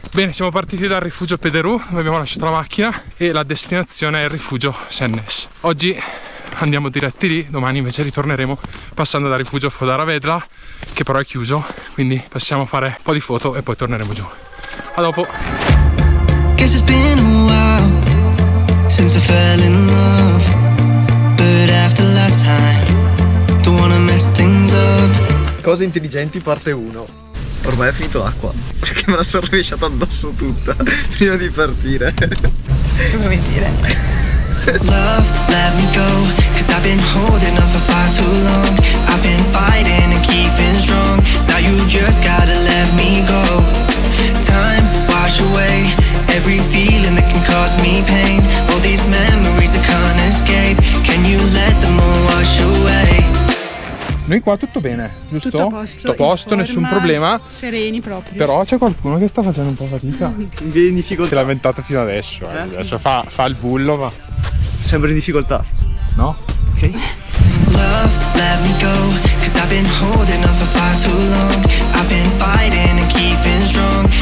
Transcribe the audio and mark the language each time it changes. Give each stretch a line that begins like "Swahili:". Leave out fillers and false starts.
Italian: Bene, siamo partiti dal rifugio Pederù, dove abbiamo lasciato la macchina, e la destinazione è il rifugio Sennes. Oggi andiamo diretti lì, domani invece ritorneremo passando dal rifugio Fodara Vedra, che però è chiuso, quindi passiamo a fare un po' di foto e poi torneremo giù. A dopo.
English: Guess it's been a while since I fell in love, but after last time don't wanna mess things up.
Italian: Cose intelligenti parte 1. Ormai è finito l'acqua, perché me la sono rovesciata addosso tutta prima di partire. Cosa vuoi dire?
English: Love, let me go, cause I've been holding on for far too long. I've been fighting and keeping strong. Now you just gotta let me go. Time wash away every feeling that can cause me pain. All these memories I can't escape. Can you let them all wash away?
Italian: Noi qua tutto bene, giusto? Tutto a posto, tutto a posto, nessun problema. Sereni proprio. Però c'è qualcuno che sta facendo un po' fatica. In difficoltà. Si è lamentato fino adesso, eh. Adesso fa il bullo, ma sembra in difficoltà. No? Ok.
English: Love, let me go, cause I've been holding on for far too long. I've been fighting and keeping strong.